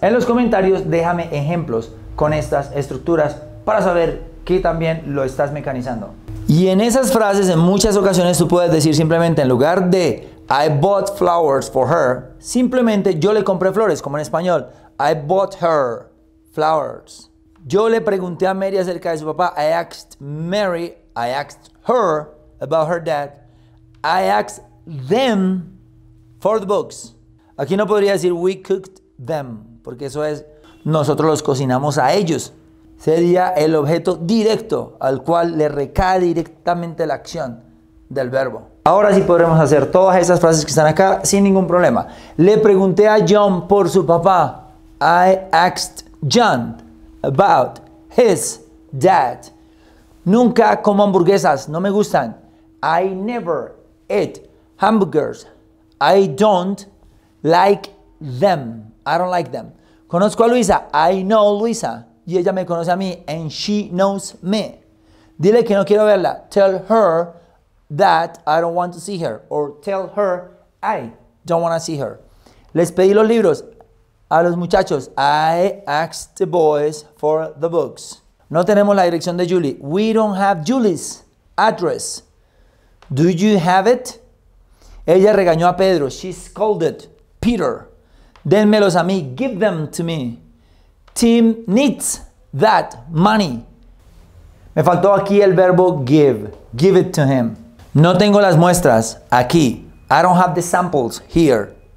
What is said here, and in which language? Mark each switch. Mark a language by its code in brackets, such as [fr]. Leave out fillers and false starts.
[es] En los comentarios déjame ejemplos con estas estructuras para saber que también lo estás mecanizando. Y en esas frases, en muchas ocasiones tú puedes decir simplemente en lugar de [en] I bought flowers for her. [es] Simplemente yo le compré flores, como en español. [en] I bought her flowers. [es] Yo le pregunté a Mary acerca de su papá. [en] I asked Mary, I asked her about her dad. I asked them for the books. [es] Aquí no podría decir [en] we cooked them, [es] porque eso es nosotros los cocinamos a ellos. Sería el objeto directo al cual le recae directamente la acción del verbo. Ahora sí podremos hacer todas esas frases que están acá sin ningún problema. Le pregunté a John por su papá. [en] I asked John about his dad. [es] Nunca como hamburguesas, no me gustan. [en] I never eat hamburgers. I don't like them. I don't like them. [es] Conozco a Luisa. [en] I know Luisa. [es] Y ella me conoce a mí. [en] And she knows me. [es] Dile que no quiero verla. [en] Tell her that I don't want to see her. Or tell her I don't want to see her. [es] Les pedí los libros a los muchachos. [en] I asked the boys for the books. [es] No tenemos la dirección de Julie. [en] We don't have Julie's address. Do you have it? [es] Ella regañó a Pedro. [en] She scolded Peter. [es] Dénmelos a mí. [en] Give them to me. Tim needs that money. [es] Me faltó aquí el verbo give. [en] Give it to him. [es] No tengo las muestras aquí. [en] I don't have the samples here.